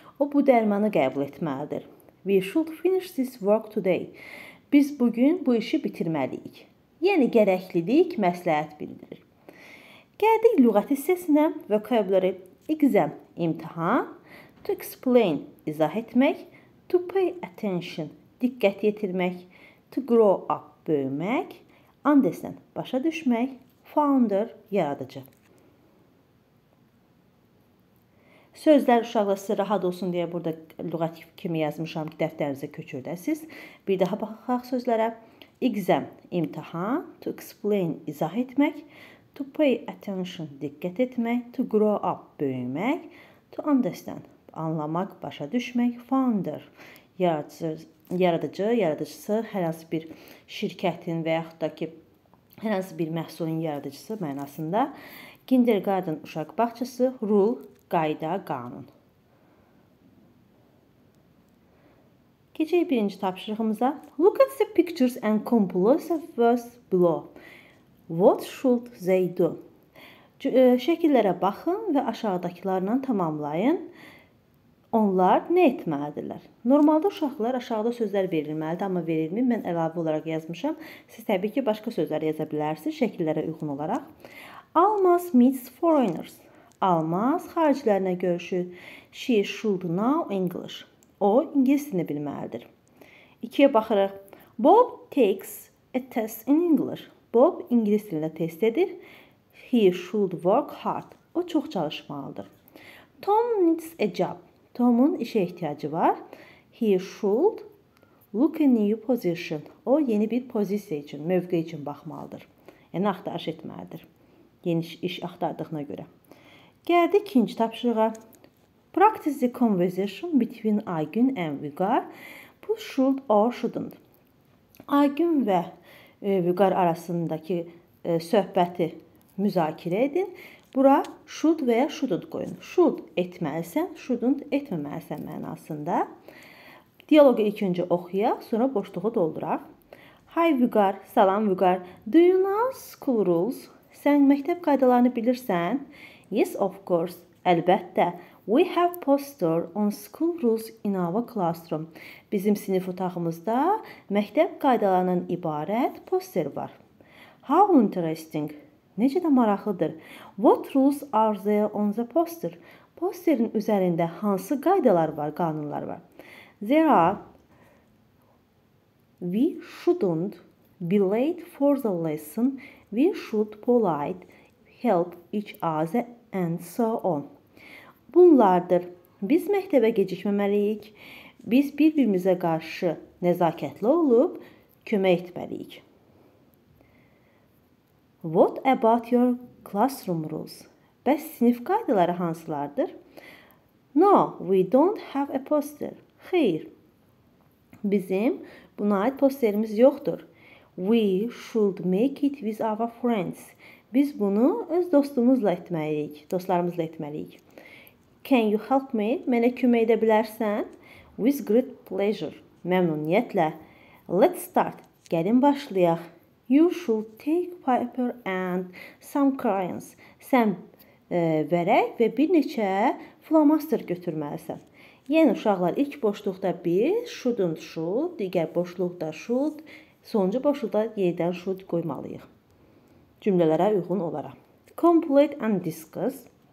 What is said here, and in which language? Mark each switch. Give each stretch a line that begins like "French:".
Azerbaijani: O, bu dərmanı qəbul etməlidir.
English: We should finish this work today.
Azerbaijani: Biz bugün bu işi bitirməliyik. Yəni, gərəklilik məsləhət bildirir. Gəldik lüğət hissəsinə, vocabulary, exam, imtihan, to explain, izah etmək, to pay attention, diqqət yetirmək, to grow up, böyümək, understand, başa düşmək, founder, yaradıcı. Sözlər uşaqla sizə rahat olsun deyə burada lüğət kimi yazmışam ki, dəftərinizə köçürdəsiniz. Bir daha baxaq sözlərə. Exam, imtihan, to explain, izah etmək, to pay attention, diqqət etmək, to grow up, böyümək, to understand, anlamaq, başa düşmək, founder, yaradıcısı, hər hansı bir şirkətin və yaxud da ki, hər hansı bir məhsulun yaradıcısı mənasında, kindergarten uşaq bağçası, rule, qayda, qanun. Keçək birinci tapşırığımıza.
English: Look at the pictures and compose the words below. What should they do?
Azerbaijani: Şəkillərə baxın və aşağıdakılarla tamamlayın. Onlar nə etməlidirlər? Normalda uşaqlar aşağıda sözlər verilməlidir, amma verilmir. Mən əlavə olaraq yazmışam. Siz təbii ki, başqa sözlər yaza bilərsiniz şəkillərə uyğun olaraq.
English: Almaz meets foreigners.
Azerbaijani: Almaz xaricilərinə görüşür.
English: She should know English.
Azerbaijani: O, ingilis dilini bilməlidir. İkiyə baxırıq.
English: Bob takes a test in English.
Azerbaijani: Bob ingilis dilində test edir.
English: He should work hard.
Azerbaijani: O, çox çalışmalıdır.
English: Tom needs a job.
Azerbaijani: Tom'un işə ehtiyacı var.
English: He should look a new position.
Azerbaijani: O, yeni bir pozisiya üçün, mövqe üçün baxmalıdır. Yəni, axtarış etməlidir. Yeni iş axtardığına görə. Gəldi ikinci tapşırığa.
English: Practice the conversation between Aygün and Vüqar. Bu, should or shouldn't.
Azerbaijani: Aygün və Vüqar arasındakı söhbəti müzakirə edin. Bura should və ya shouldn't qoyun. Should etməlisən, shouldn't etməməlisən mənasında. D Diyalogu ilk önce okuya, sonra boşluğu dolduraq.
English: Hi Vüqar, salam Vüqar. Do you know school rules?
Azerbaijani: Sən məktəb qaydalarını bilirsən?
English: Yes, of course.
Azerbaijani: Əlbəttə.
English: We have poster on school rules in our classroom.
Azerbaijani: Bizim sinif otağımızda məktəb qaydalarından ibarət poster var.
English: How interesting.
Azerbaijani: Necə də maraqlıdır.
English: What rules are there on the poster?
Azerbaijani: Posterin üzərində hansı qaydalar var, qanunlar var?
English: There are, we shouldn't be late for the lesson, we should polite, help each other and so on.
Azerbaijani: Bunlardır. Biz məktəbə gecikməməliyik, biz bir-birimizə qarşı nəzakətli olub kömək etməliyik.
English: What about your classroom rules?
Azerbaijani: Bəs sinif qaydaları hansılardır?
English: No, we don't have a poster.
Azerbaijani: Xeyr, bizim buna aid posterimiz yoxdur.
English: We should make it with our friends.
Azerbaijani: Biz bunu öz dostlarımızla etməliyik.
English: Can you help me?
Azerbaijani: Mənə kömək edə bilərsən?
English: With great pleasure.
Azerbaijani: Məmnuniyyətlə.
English: Let's start.
Azerbaijani: Gəlin başlayaq.
English: You should take paper and some crayons.
Azerbaijani: Sən vərək və bir neçə flomaster götürməlisən. Yəni, uşaqlar, ilk boşluqda biz shouldn't should, digər boşluqda should, sonuncu boşluqda yenidən should qoymalıyıq. Cümlələrə uyğun olaraq.
English: Complete and discuss.